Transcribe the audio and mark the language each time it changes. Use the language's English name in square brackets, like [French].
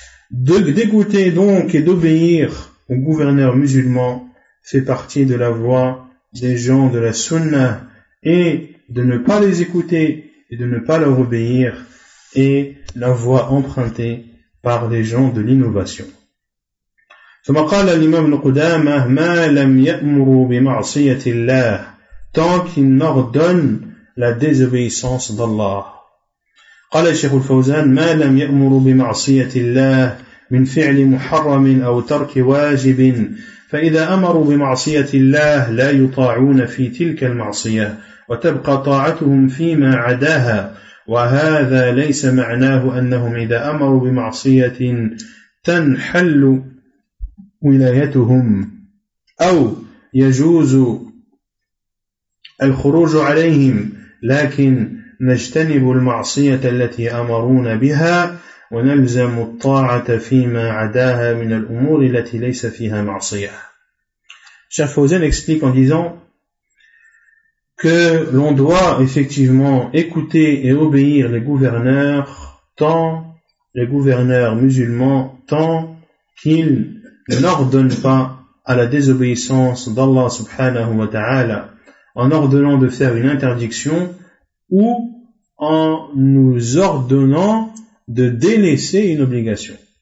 [French] D'écouter donc et d'obéir un gouverneur musulman fait partie de la voix des gens de la sunna, et de ne pas les écouter et de ne pas leur obéir est la voix empruntée par les gens de l'innovation. [Arabic] ثم قال الإمام ابن قدامة ما لم يأمروا بمعصية الله [French] tant qu'il n'ordonne la désobéissance d'Allah. [Arabic] قال الشيخ الفوزان ما لم يأمروا بمعصية الله من فعل محرم أو ترك واجب فإذا أمروا بمعصية الله لا يطاعون في تلك المعصية وتبقى طاعتهم فيما عداها، وهذا ليس معناه أنهم إذا أمروا بمعصية تنحل ولايتهم أو يجوز الخروج عليهم، لكن نجتنب المعصية التي أمرون بها ونلزم الطاعة فيما عداها من الأمور التي ليس فيها معصية. [French] Cheikh Fawzan explique en disant que l'on doit effectivement écouter et obéir les gouverneurs, tant les gouverneurs musulmans, tant qu'ils n'ordonnent pas à la désobéissance d'Allah subhanahu wa ta'ala, en ordonnant de faire une interdiction ou en nous ordonnant de délaisser une obligation.